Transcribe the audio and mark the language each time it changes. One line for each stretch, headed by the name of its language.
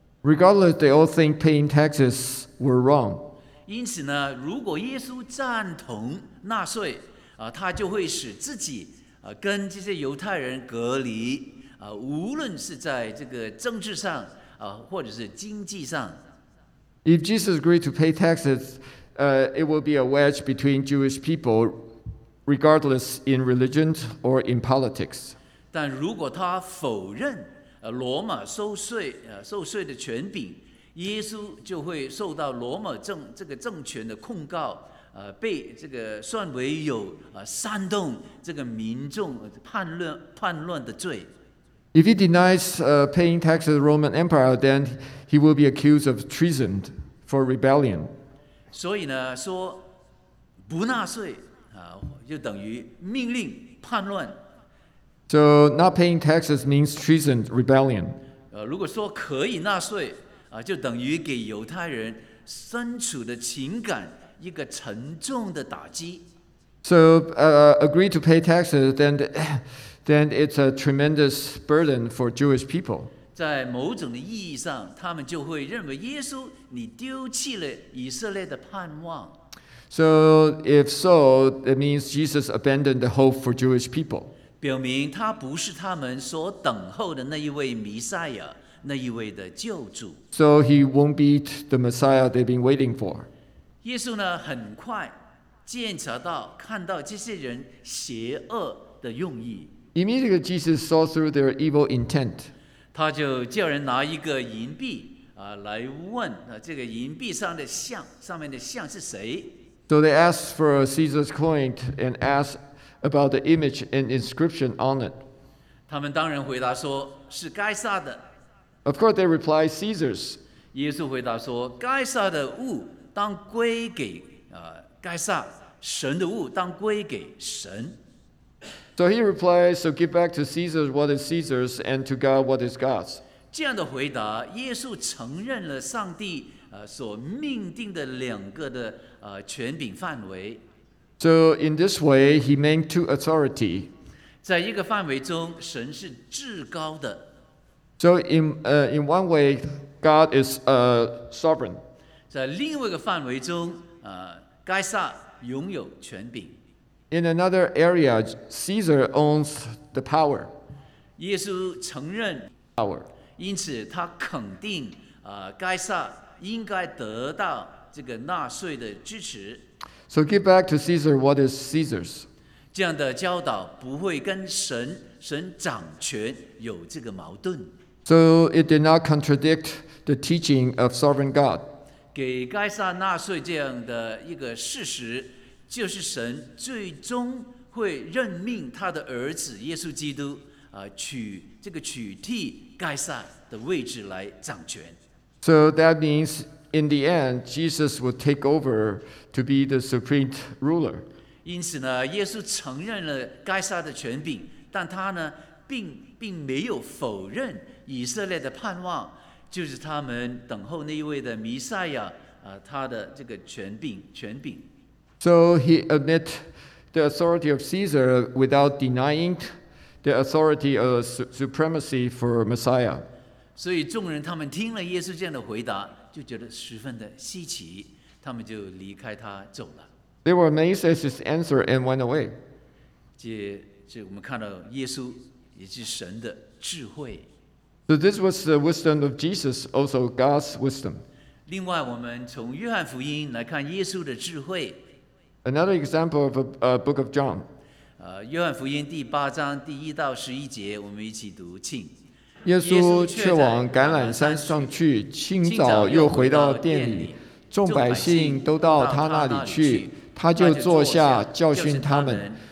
English: Regardless, they all think paying taxes were wrong.
Chinese: 因此呢，如果耶稣赞同纳税，他就会使自己跟这些犹太人隔离，无论是在这个政治上，或者是经济上。
English: If Jesus agreed to pay taxes, it will be a wedge between Jewish people, regardless in religion or in politics.
Chinese: 但如果他否认罗马收税的权柄，耶稣就会受到罗马这个政权的控告，被这个算为有煽动这个民众叛乱的罪。
English: If he denies paying taxes to the Roman Empire, then he will be accused of treason for rebellion.
Chinese: 所以呢，说不纳税就等于命令叛乱。
English: So not paying taxes means treason, rebellion.
Chinese: 如果说可以纳税就等于给犹太人身处的情感一个沉重的打击。
English: So agree to pay taxes, then it's a tremendous burden for Jewish people.
Chinese: 在某种的意义上，他们就会认为耶稣，你丢弃了以色列的盼望。
English: So if so, it means Jesus abandoned the hope for Jewish people.
Chinese: 表明他不是他们所等候的那一位弥赛亚，那一位的救主。
English: So he won't be the Messiah they've been waiting for.
Chinese: 耶稣呢，很快鉴察到，看到这些人邪恶的用意。
English: Immediately, Jesus saw through their evil intent.
Chinese: 他就叫人拿一个银币来问这个银币上面的像是谁。
English: So they asked for Caesar's coin and asked about the image and inscription on it.
Chinese: 他们当然回答说是该撒的。
English: Of course, they replied Caesar's.
Chinese: 耶稣回答说该撒的物当归给该撒，神的物当归给神。
English: So he replies, so give back to Caesar what is Caesar's and to God what is God's.
Chinese: 这样的回答，耶稣承认了上帝所命定的两个的权柄范围。
English: So in this way, he meant two authority.
Chinese: 在一个范围中，神是至高的。
English: So in one way, God is sovereign.
Chinese: 在另外一个范围中，该撒拥有权柄。
English: In another area, Caesar owns the power.
Chinese: 耶稣承认
English: power.
Chinese: 因此他肯定该撒应该得到这个纳税的支持。
English: So give back to Caesar what is Caesar's.
Chinese: 这样的教导不会跟神掌权有这个矛盾。
English: So it did not contradict the teaching of sovereign God.
Chinese: 给该撒纳税这样的一个事实，就是神最终会任命他的儿子耶稣基督取替该撒的位置来掌权。
English: So that means in the end, Jesus will take over to be the supreme ruler.
Chinese: 因此呢，耶稣承认了该撒的权柄，但他呢，并没有否认以色列的盼望，就是他们等候那一位的弥赛亚他的这个权柄。
English: So he admits the authority of Caesar without denying the authority of supremacy for Messiah.
Chinese: 所以众人他们听了耶稣这样的回答，就觉得十分的稀奇，他们就离开他走了。
English: They were amazed at his answer and went away.
Chinese: 这所以我们看到耶稣也是神的智慧。
English: So this was the wisdom of Jesus, also God's wisdom.
Chinese: 另外，我们从约翰福音来看耶稣的智慧。
English: Another example of a book of John.
Chinese: 约翰福音第八章第一到十一节，我们一起读，请。耶稣却往橄榄山上去，清早又回到殿里，众百姓都到他那里去，他就坐下教训他们。